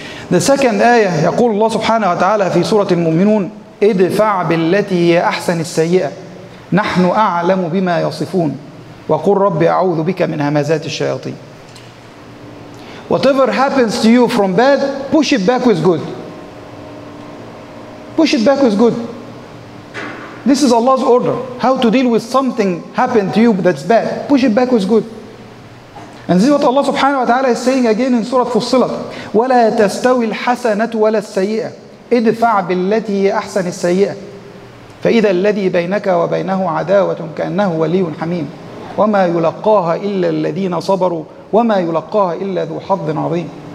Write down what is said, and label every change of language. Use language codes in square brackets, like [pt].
[en] The second ayah, [ar] يقول الله سبحانه وتعالى في سورة المؤمنون ادفع بالتي هي أحسن السيئة نحن أعلم بما يصفون وقل ربي أعوذ بك من همزات الشياطين. [en] Whatever happens to you from bad, push it back with good. Push it back with good. This is Allah's order. How to deal with something happened to you that's bad? Push it back with good. And this is what Allah subhanahu wa ta'ala is saying again in Surah Fussilat. [ar] وَلَا تَسْتَوِي الْحَسَنَةُ وَلَا السَّيِّئَةُ ادفع بالتي هي أحسن السيئة فإذا الذي بينك وبينه عداوة كأنه ولي حميم وما يلقاها إلا الذين صبروا وما يلقاها إلا ذو حظ عظيم.